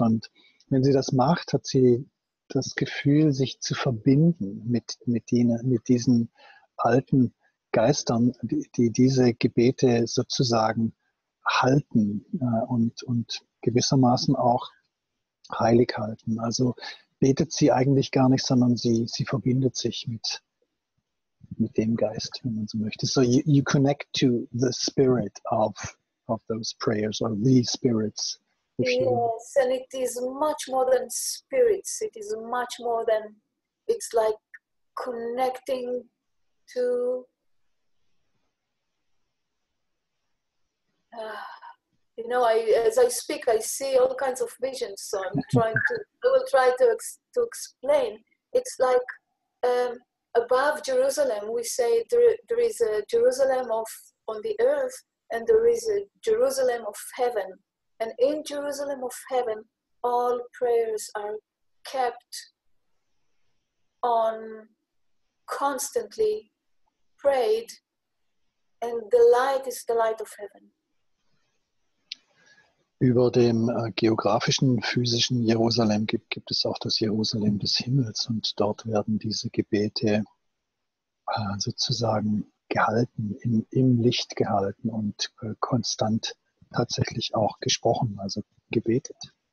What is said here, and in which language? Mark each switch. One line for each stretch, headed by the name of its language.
German: Und wenn sie das macht, hat sie das Gefühl, sich zu verbinden mit diesen alten Geistern, die diese Gebete sozusagen halten und gewissermaßen auch heilig halten. Also betet sie eigentlich gar nicht, sondern sie verbindet sich mit dem Geist, wenn man so möchte.
English: So you connect to the spirit of those prayers, or these spirits. Yes, you... and it is much more than spirits. It is much more than, it's like connecting to you know, as I speak, I see all kinds of visions, so I'm trying to, I will try to explain. It's like above Jerusalem, we say there is a Jerusalem of on the earth, and there is a Jerusalem of heaven. And in Jerusalem of heaven, all prayers are kept on, constantly prayed, and the light is the light of heaven.
German: Über dem geografischen, physischen Jerusalem gibt es auch das Jerusalem des Himmels, und dort werden diese Gebete sozusagen gehalten, im Licht gehalten und konstant tatsächlich auch gesprochen, also gebetet.